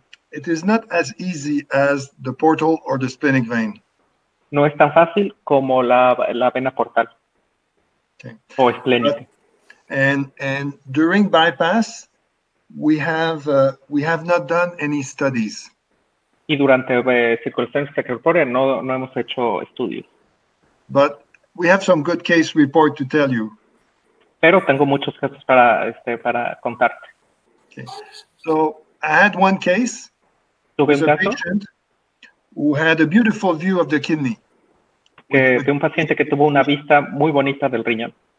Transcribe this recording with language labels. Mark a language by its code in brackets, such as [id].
[en] It is not as easy as the portal or the splenic vein. [es] No es tan fácil como la vena portal. [en] Okay. [es] O esplénica. [en] And during bypass, we have not done any studies. [es] Y durante circulación extracorpórea no hemos hecho estudios. [en] But we have some good case report to tell you. [es] Pero tengo muchos casos para contarte. [en] Okay. So I had one case. [es] Tuve un caso. Patient [en] who had a beautiful view of the kidney. [es] De un paciente que tuvo una vista muy bonita del riñón.